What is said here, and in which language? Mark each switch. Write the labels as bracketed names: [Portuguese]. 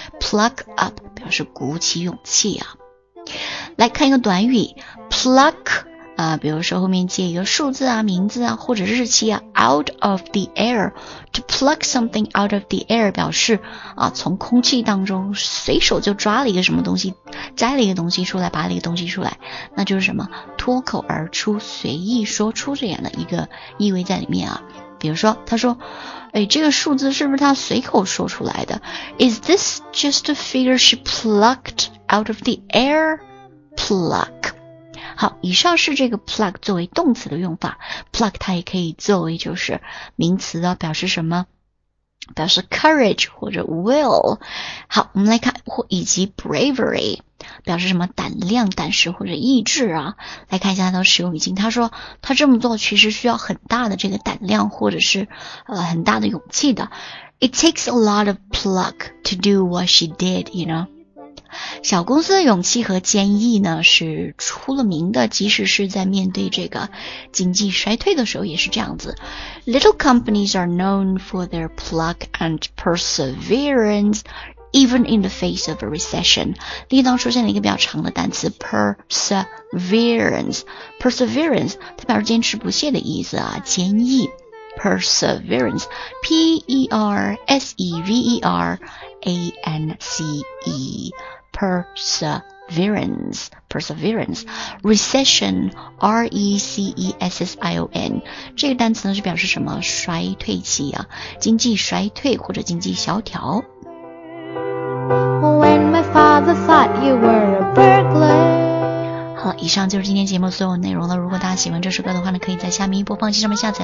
[Chinese] Pluck up 表示鼓起勇气啊。来看一个短语 pluck, 比如说后面接一个数字啊名字啊或者日期啊 [English] out of the air, to pluck something out of the air [Chinese] 表示啊从空气当中随手就抓了一个什么东西，摘了一个东西出来，拔了一个东西出来，那就是什么脱口而出，随意说出这样的一个意味在里面啊。比如说他说，哎，这个数字是不是他随口说出来的？ [English] Is this just a figure she plucked out of the air? [Chinese] Pluck. 好，以上是这个 pluck 作为动词的用法。 Pluck 它也可以作为就是名词的，表示什么？表示 courage 或者 will。好，我们来看或以及 bravery 表示什么？胆量、胆识或者意志啊。来看一下它的使用语境，他说他这么做其实需要很大的这个胆量或者是很大的勇气的。 [English] It takes a lot of pluck to do what she did, you know. [Chinese] 小公司的勇气和坚毅呢是出了名的，即使是在面对这个经济衰退的时候也是这样子。 [English] Little companies are known for their pluck and perseverance even in the face of a recession. [Chinese] 例当出现了一个比较长的单词 perseverance 它表示坚持不懈的意思啊，坚毅 perseverance P-E-R-S-E-V-E-R-A-N-C-Eperseverance, recession, R-E-C-E-S-S-I-O-N, 这个单词呢是表示什么？衰退期啊，经济衰退或者经济萧条。 [English] When my father thought you were a burglar. [Chinese] 好了，以上就是今天节目所有内容了。如果大家喜欢这首歌的话呢，可以在虾米播放器上面下载。